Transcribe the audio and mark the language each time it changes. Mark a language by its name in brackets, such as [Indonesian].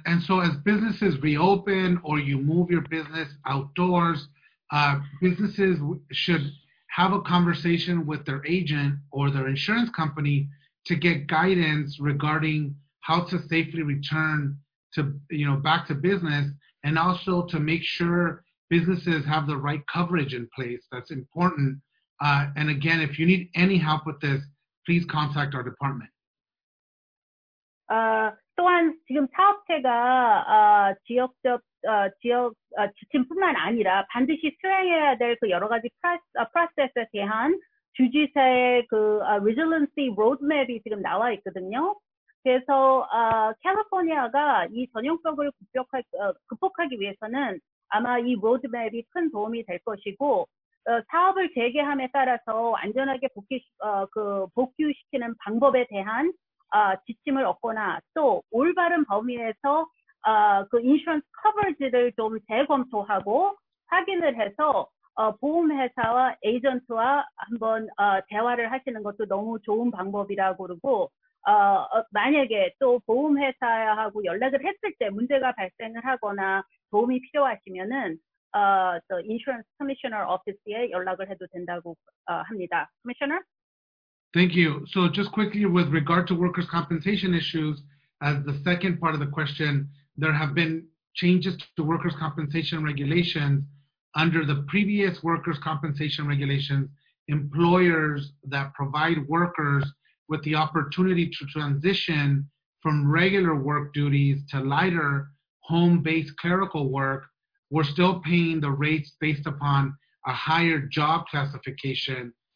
[English] And so as businesses reopen or you move your business outdoors, businesses should have a conversation with their agent or their insurance company to get guidance regarding how to safely return to, you know, back to business and also to make sure businesses have the right coverage in place. That's important. And again, if you need any help with this, please contact our department. [Korean] 또한 지금 사업체가 지역적 지역 지침뿐만 아니라 반드시 수행해야 될 그 여러 가지 프로세스에 대한 주지사의 그 resiliency roadmap이 지금 나와 있거든요. 그래서 캘리포니아가 이 전염병을 극복하기 위해서는 아마 이 로드맵이 큰 도움이 될 것이고 사업을 재개함에 따라서 안전하게 복귀시키는 방법에 대한 지침을 얻거나 또 올바른 범위에서 그 인슈런스 커버지를 좀 재검토하고 확인을 해서 보험회사와 에이전트와 한번 대화를 하시는 것도 너무 좋은 방법이라고 그러고 만약에 또 보험회사하고 연락을 했을 때 문제가 발생을 하거나 도움이 필요하시면은 [English] the insurance commissioner office [Korean] 에 연락을 해도 된다고 합니다. [English] Commissioner? Thank you. So just quickly with regard to workers' compensation issues, as the second part of the question, there have been changes to workers' compensation regulations. Under the previous workers' compensation regulations, employers that provide workers with the opportunity to transition from regular work duties to lighter home-based clerical work were still paying the rates based upon a higher job classification.